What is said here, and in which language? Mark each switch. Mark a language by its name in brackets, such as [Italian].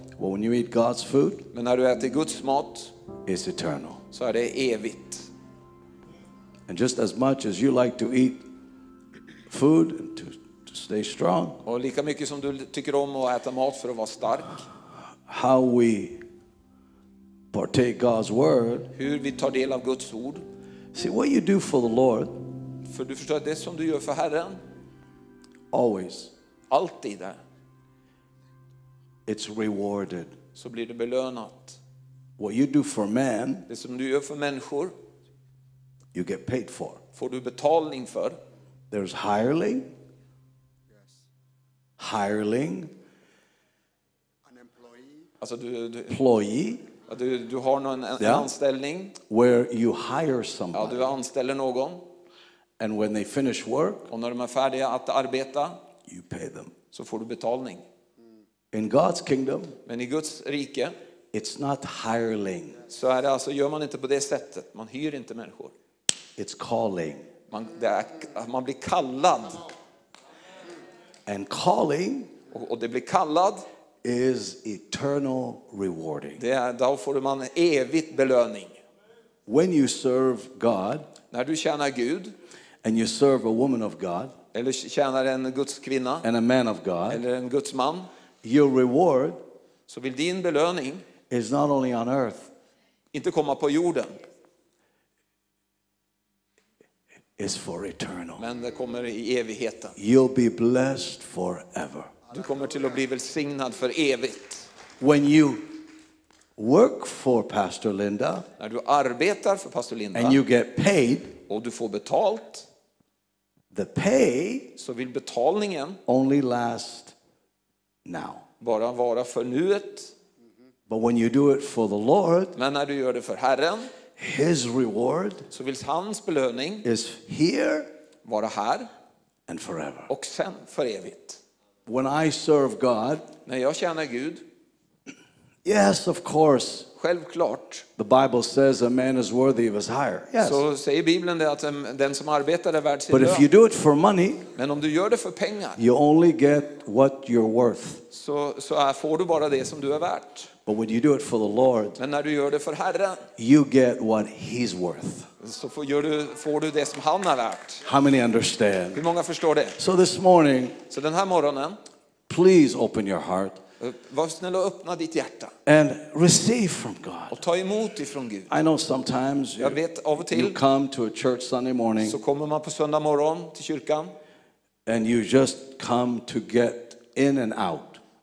[English] But when you eat God's food. [Swedish] Men när du äter Guds mat. [English] It's eternal. [Swedish] Så är det evigt. [English] And just as much as you like to eat food and to stay strong. [Swedish] Och lika mycket som du tycker om att äta mat för att vara stark. [English] How we partake God's word. [Swedish] Hur vi tar del av Guds ord. [English] See what you do for the Lord. [Swedish] För du förstår det som du gör för Herren. [English] Always. [Swedish] Alltid. [English] It's rewarded. [Swedish] Så blir det belönat. [English] What you do for man. [Swedish] Det som du gör för människor. [English] You get paid for. [Swedish] Får du betalning för? [English] There's hireling. Yes. Hireling. An employee. [Swedish] Alltså du. [English] Employee. [Swedish] Du har någon en anställning. [English] Where you hire somebody. [Swedish] Ja, du anställer någon. [English] And when they finish work. [Swedish] Och när de är färdiga att arbeta. [English] You pay them. [Swedish] Så får du betalning. [English] In God's kingdom. [Swedish] Men i Guds rike. [English] It's not hireling. [Swedish] Så är det alltså, gör man inte på det sättet. Man hyr inte människor. [English] It's calling. [Swedish] Man blir kallad. [English] And calling. [Swedish] Och det blir kallad. [English] Is eternal rewarding. [Swedish] Det är då får man evigt belöning. [English] When you serve God. [Swedish] När du tjänar Gud. [English] And you serve a woman of God. [Swedish] Eller tjänar en Guds kvinna. [English] And a man of God. [Swedish] Eller en Guds man. [English] Your reward. [Swedish] Så vill din belöning. [English] Is not only on earth. [Swedish] Inte komma på jorden. [English] is for eternal. [Swedish] Men det kommer i evigheten. [English] You'll be blessed forever. [Swedish] Du kommer till att bli välsignad för evigt. [English] When you work for Pastor Linda, [Swedish] när du arbetar för Pastor Linda, [English] and you get paid, [Swedish] och du får betalt, [English] the pay, [Swedish] så vill betalningen [English] only last now. [Swedish] Bara vara för nuet. [English] But when you do it for the Lord, [Swedish] men när du gör det för Herren, [English] his reward, [Swedish] så vill hans belöning [English] is here, [Swedish] vara här, [English] and forever. [Swedish] Och sen för evigt. [English] When I serve God, [Swedish] när jag tjänar Gud, [English] yes, of course. [Swedish] Självklart. [English] The Bible says a man is worthy of his hire. Yes. [Swedish] Så säger Bibeln det att den som arbetar är värd sin lön. [English] But if you do it for money, [Swedish] men om du gör det för pengar, [English] you only get what you're worth. [Swedish] Så får du bara det som du är värt. [English] But when you do it for the Lord, [Swedish] men när du gör det för Herren, [English] you get what he's worth. [Swedish] Så får du det som han är värt. [English] How many understand? [Swedish] Hur många förstår det? [English] So this morning, [Swedish] så den här morgonen, [English] please open your heart. [Swedish] Var snäll och öppna ditt hjärta. [English] And receive from God. [Swedish] Och ta emot ifrån Gud. [English] I know sometimes [Swedish] jag vet av och till, [English] you come to a church Sunday morning, [Swedish] så kommer man på söndag morgon till kyrkan, [English] and you just come to get in and out.